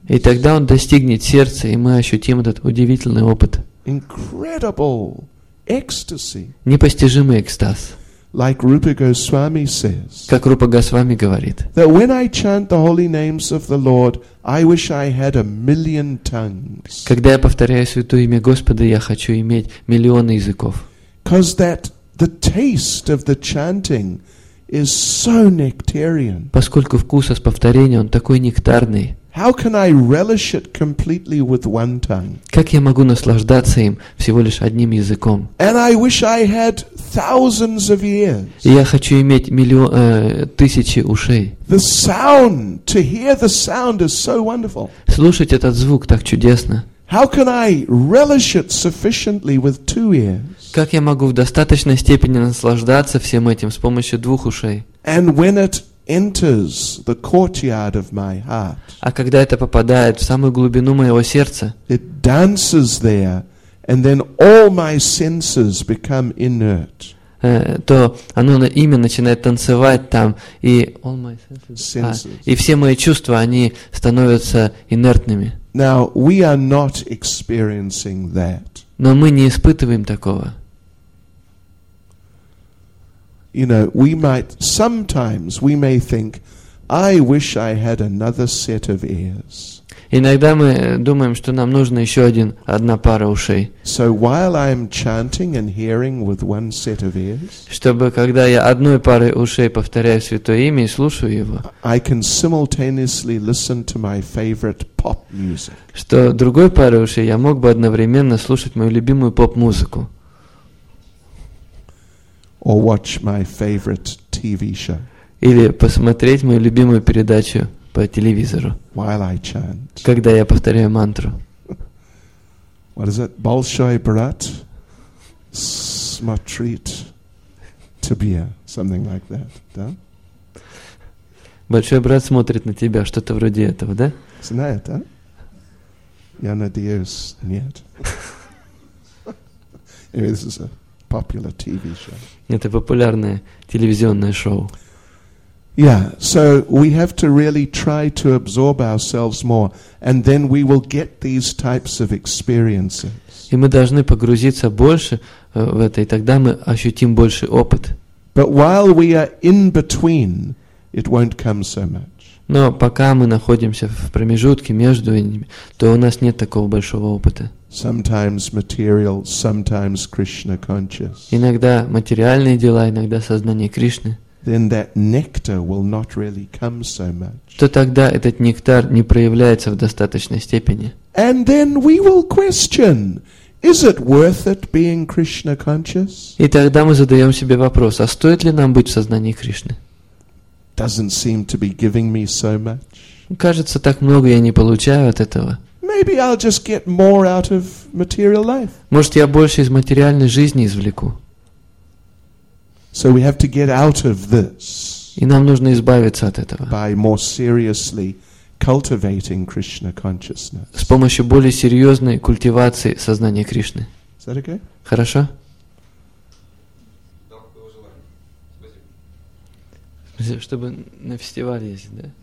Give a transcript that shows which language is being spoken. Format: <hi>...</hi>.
<ru>И тогда он достигнет сердца, и мы ощутим этот удивительный опыт.</ru> <en>Incredible ecstasy.</en> <ru>Непостижимый экстаз.</ru> <en>Like Rupa Goswami says.</en> <ru>Как Рупа Госвами говорит.</ru> <en>That when I chant the holy names of the Lord, I wish I had a million tongues.</en> <ru>Когда я повторяю святое имя Господа, я хочу иметь миллионы языков.</ru> <en>Because that the taste of the chanting is so nectarian.</en> <ru>Поскольку вкус от повторения он такой нектарный.</ru> <en>How can I relish it completely with one tongue?</en> <ru>Как я могу наслаждаться им всего лишь одним языком?</ru> <en>And I wish I had thousands of years.</en> <ru>Я хочу иметь миллион, тысячи ушей.</ru> <en>The sound, to hear the sound is so wonderful.</en> <ru>Слушать этот звук так чудесно.</ru> <en>How can I relish it sufficiently with two ears?</en> <ru>Как я могу в достаточной степени наслаждаться всем этим с помощью двух ушей?</ru> <en>And when it enters the courtyard of my heart.</en> <ru>А когда это попадает в самую глубину моего сердца?</ru> <en>It dances there, and then all my senses become inert.</en> <ru>То оно именно начинает танцевать там, и</ru> <en>all my senses.</en> <ru>И все мои чувства, они становятся инертными.</ru> <en>Now we are not experiencing that.</en> <ru>Но мы не испытываем такого.</ru> <en>You know, we might sometimes we may think, I wish I had another set of ears.</en> <ru>Иногда мы думаем, что нам нужно еще один, одна пара ушей.</ru> <en>So while I am chanting and hearing with one set of ears,</en> <ru>чтобы когда я одной парой ушей повторяю святое имя и слушаю его,</ru> <en>I can simultaneously listen to my favorite pop music.</en> <ru>Что другой парой ушей я мог бы одновременно слушать мою любимую поп-музыку.</ru> <en>Or watch my favorite TV show.</en> <ru>Или посмотреть мою любимую передачу по телевизору.</ru> <en>While I chant.</en> <ru>Когда я повторяю мантру.</ru> <en>What is it?</en> <ru>Большой брат смотрит тебя.</ru> <en>Something like that,</en> <ru>да? Большой брат смотрит на тебя. Что-то вроде этого, да? Знает, а? Я надеюсь, нет.</ru> <en>Anyway, this is a popular TV show.</en> <ru>Это популярное телевизионное шоу.</ru> <en>Yeah, so we have to really try to absorb ourselves more, and then we will get these types of experiences.</en> <ru>И мы должны погрузиться больше в это, и тогда мы ощутим больше опыт.</ru> <en>But while we are in between, it won't come so much.</en> <ru>Но пока мы находимся в промежутке между ними, то у нас нет такого большого опыта.</ru> <en>Sometimes material, sometimes Krishna conscious.</en> <ru>Иногда материальные дела, иногда сознание Кришны.</ru> <en>Then that nectar will not really come so much.</en> <ru>То тогда этот нектар не проявляется в достаточной степени.</ru> <en>And then we will question, is it worth it being Krishna conscious?</en> <ru>И тогда мы задаем себе вопрос, а стоит ли нам быть в сознании Кришны?</ru> <en>Doesn't seem to be giving me so much.</en> <ru>Кажется, так много я не получаю от этого.</ru> <en>Maybe I'll just get more out of material life.</en> <ru>Может, я больше из материальной жизни извлеку.</ru> <en>So we have to get out of this.</en> <ru>И нам нужно избавиться от этого.</ru> <en>By more seriously cultivating Krishna consciousness.</en> <ru>С помощью более серьезной культивации сознания Кришны.</ru> <en>Is that okay?</en> <ru>Хорошо? Спасибо. Чтобы на фестивале ездить, да?</ru>